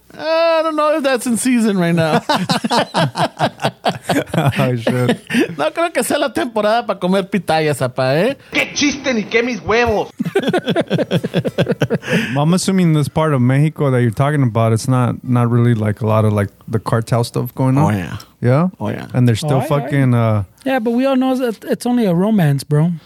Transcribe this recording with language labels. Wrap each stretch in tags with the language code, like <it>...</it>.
<en>I don't know if that's in season right now. Ay, shit.</en> <es>No creo que sea la temporada para comer pitayas, apa, ¿eh? ¡Qué chiste ni qué mis huevos!</es> <en>I'm assuming this part of Mexico that you're talking about, it's not really like a lot of like the cartel stuff going on. Oh, yeah. Yeah? Oh, yeah. And they're still Yeah, but we all know that it's only a romance, bro.</en>